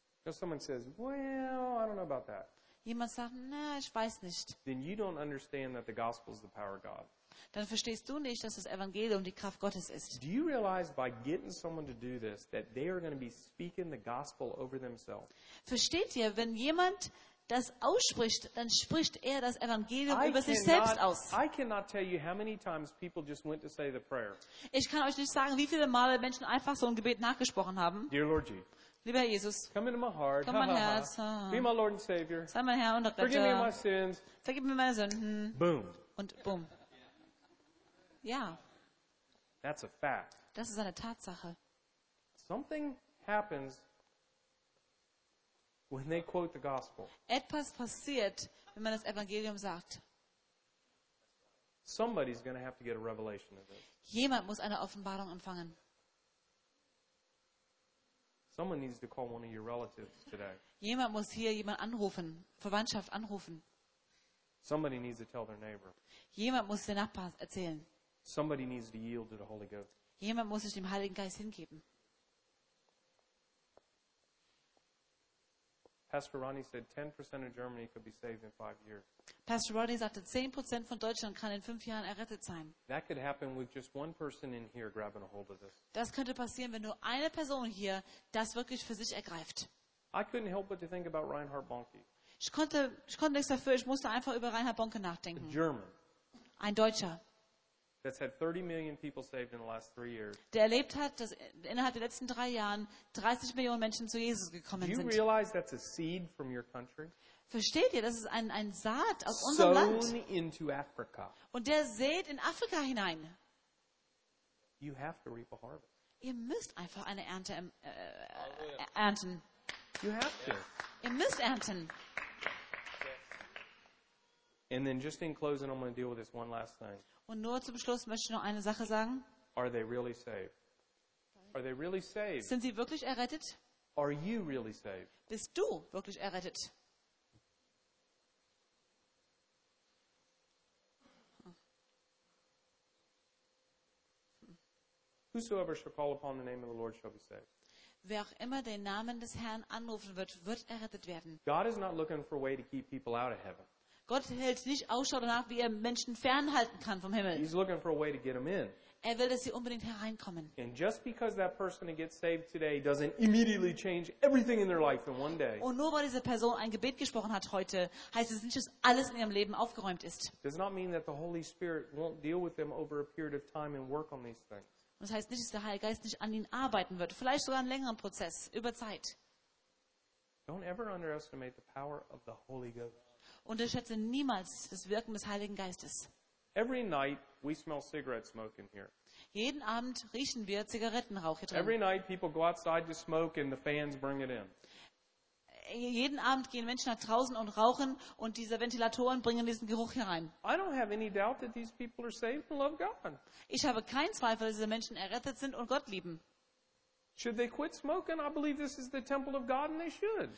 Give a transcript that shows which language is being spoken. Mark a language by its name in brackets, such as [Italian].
[English] Someone says, "Well, I don't know about that." [German] Jemand sagt, na, ich weiß nicht. [English] Then you don't understand that the gospel is the power of God. [German] Dann verstehst du nicht, dass das Evangelium die Kraft Gottes ist. [English] Do you realize by getting someone to do this that they are going to be speaking the gospel over themselves? [German] Versteht ihr, wenn jemand das ausspricht, dann spricht er das Evangelium über sich selbst aus. [English] I cannot tell you how many times people just went to say the prayer. [German] Ich kann euch nicht sagen, wie viele Male Menschen einfach so ein Gebet nachgesprochen haben. [English] Dear Lord Jesus. [German] Lieber Jesus, [English] come into my heart, [German] komm mein Herz. [English] Be my Lord and Savior. [German] Sei mein Herr und Retter. [English] Forgive me my sins. [German] Vergib mir meine Sünden. [English] Boom. [German] Und boom. Ja. [English] That's a fact. [German] Das ist eine Tatsache. [English] Something happens when they quote the gospel. [German] Etwas passiert, wenn man das Evangelium sagt. [English] Somebody's going to have to get a revelation of this. [German] Jemand muss eine Offenbarung empfangen. [English] Someone needs to call one of your relatives today. [German] Jemand muss hier jemand anrufen, Verwandtschaft anrufen. [English] Somebody needs to tell their neighbor. [German] Jemand muss den Nachbarn erzählen. [English] Somebody needs to yield to the Holy Ghost. [German] Jemand muss sich dem Heiligen Geist hingeben. [English] Pastor Ronnie said 10% of Germany could be saved in 5 years. [German] Pastor Ronnie sagte, 10% von Deutschland kann in 5 Jahren errettet sein. [English] That could happen with just one person in here grabbing a hold of this. [German] Das könnte passieren, wenn nur eine Person hier das wirklich für sich ergreift. [English] I couldn't help but to think about Reinhard Bonnke. [German] Ich konnte nichts dafür, ich musste einfach über Reinhard Bonnke nachdenken. [English] A German. [German] Ein Deutscher. [English] That's had 30 million people saved in the last 3 years. [German] Der erlebt hat, dass innerhalb der letzten 3 Jahren 30 Millionen Menschen zu Jesus gekommen sind. [English] Do you realize that's a seed from your country? [German] Versteht ihr, das ist ein Saat aus unserem Land. [English] Sown into Africa. [German] Und der sät in Afrika hinein. [English] You have to reap a harvest. [German] Ihr müsst einfach eine Ernte ernten. [English] You have to. [German] Ihr müsst ernten. [English] And then just in closing, I'm going to deal with this one last thing. [German] Und nur zum Schluss möchte ich noch eine Sache sagen. [English] Are they really saved? Are they really saved? [German] Sind sie wirklich errettet? [English] Are you really saved? [German] Bist du wirklich errettet? [English] Whosoever shall call upon the name of the Lord shall be saved. [German] Wer auch immer den Namen des Herrn anrufen wird, wird errettet werden. [English] God is not looking for a way to keep people out of heaven. [German] Gott hält nicht Ausschau danach, wie er Menschen fernhalten kann vom Himmel. [English] He's looking for a way to get them in. [German] Er will, dass sie unbedingt hereinkommen. [English] And just because that person gets saved today doesn't immediately change everything in their life in one day. [German] Und nur weil diese Person ein Gebet gesprochen hat heute, heißt es nicht, dass alles in ihrem Leben aufgeräumt ist. [English] Does not mean that the Holy Spirit won't deal with them over a period of time and work on these things. [German] Und das heißt nicht, dass der Heilige Geist nicht an ihnen arbeiten wird, vielleicht sogar einen längeren Prozess über Zeit. [English] Don't ever underestimate the power of the Holy Ghost. [German] Unterschätze niemals das Wirken des Heiligen Geistes. [English] Every night we smell cigarette smoke in here. [German] Jeden Abend riechen wir Zigarettenrauch hier drin. [English] Every night people go outside to smoke and the fans bring it in. [German] Jeden Abend gehen Menschen nach draußen und rauchen und diese Ventilatoren bringen diesen Geruch herein. [English] I don't have any doubt that these people are saved and love God. [German] Ich habe keinen Zweifel, dass diese Menschen errettet sind und Gott lieben. [English] Should they quit smoking? I believe this is the temple of God, and they should.